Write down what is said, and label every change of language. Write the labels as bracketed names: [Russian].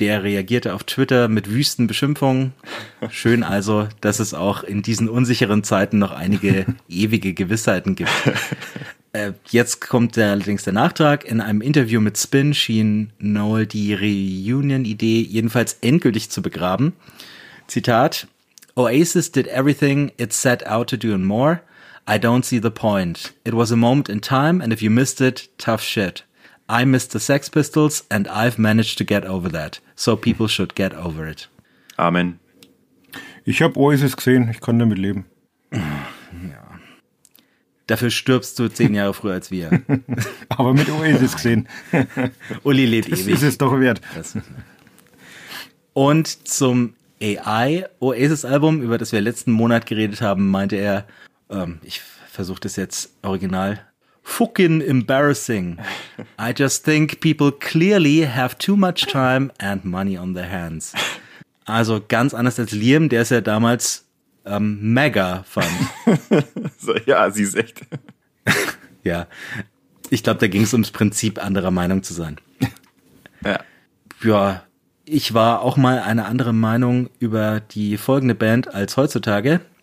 [German] Der reagierte auf Twitter mit wüsten Beschimpfungen. Schön also, dass es auch in diesen unsicheren Zeiten noch einige ewige Gewissheiten gibt. Jetzt kommt allerdings der Nachtrag. In einem Interview mit Spin schien Noel die Reunion-Idee jedenfalls endgültig zu begraben. [English] Zitat: Oasis did everything it set out to do and more. I don't see the point. It was a moment in time and if you missed it, tough shit. I missed the Sex Pistols and I've managed to get over that. So people should get over it. Amen. [German] Ich habe Oasis gesehen, ich kann damit leben. Ja. Dafür stirbst du 10 Jahre früher als wir. Aber mit Oasis gesehen. Uli lebt das ewig. Das ist es doch wert. Und zum AI-Oasis-Album, über das wir letzten Monat geredet haben, meinte er, ich versuche das jetzt original, [English] fucking embarrassing. I just think people clearly have too much time and money on their hands. [German] Also ganz anders als Liam, der ist ja damals mega fand. So, ja, sie ist echt. Ja, ich glaube, da ging es ums Prinzip, anderer Meinung zu sein. Ja. Ja, ich war auch mal eine andere Meinung über die folgende Band als heutzutage.